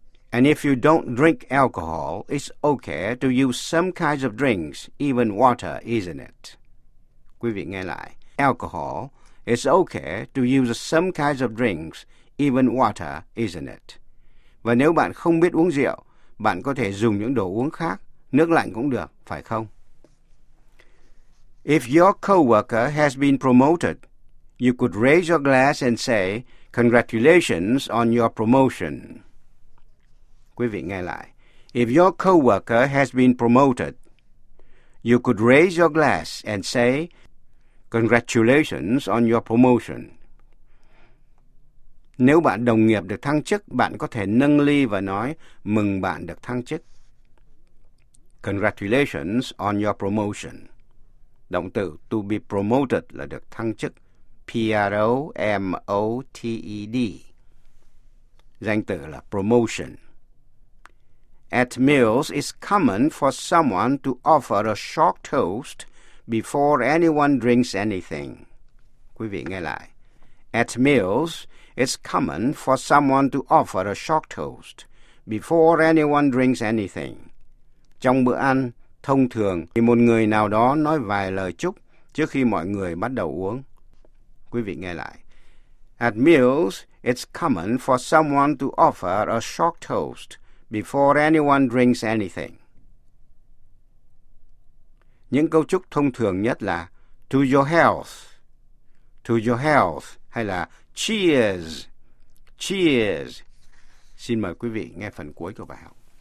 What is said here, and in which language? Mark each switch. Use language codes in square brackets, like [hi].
[en] And if you don't drink alcohol, it's okay to use some kinds of drinks, even water, isn't it? [vi] Quý vị nghe lại. [en] Alcohol, it's okay to use some kinds of drinks, even water, isn't it? [vi] Và nếu bạn không biết uống rượu, bạn có thể dùng những đồ uống khác, nước lạnh cũng được, phải không? [en] If your coworker has been promoted, you could raise your glass and say, "Congratulations on your promotion." [vi] Quý vị nghe lại. [en] If your coworker has been promoted, you could raise your glass and say, "Congratulations on your promotion." [vi] Nếu bạn đồng nghiệp được thăng chức, bạn có thể nâng ly và nói, "Mừng bạn được thăng chức." [en] Congratulations on your promotion. [vi] Động từ to be promoted là được thăng chức. P-R-O-M-O-T-E-D. Danh từ là promotion. [en] At meals, it's common for someone to offer a short toast before anyone drinks anything. [vi] Quý vị nghe lại. [en] At meals, it's common for someone to offer a short toast before anyone drinks anything. [vi] Trong bữa ăn, thông thường thì một người nào đó nói vài lời chúc trước khi mọi người bắt đầu uống. Quý vị nghe lại. [en] At meals, it's common for someone to offer a short toast before anyone drinks anything. [vi] Những câu chúc thông thường nhất là [en] to your health, to your health, [vi] hay là [en] cheers, cheers. [vi] Xin mời quý vị nghe phần cuối của bài học.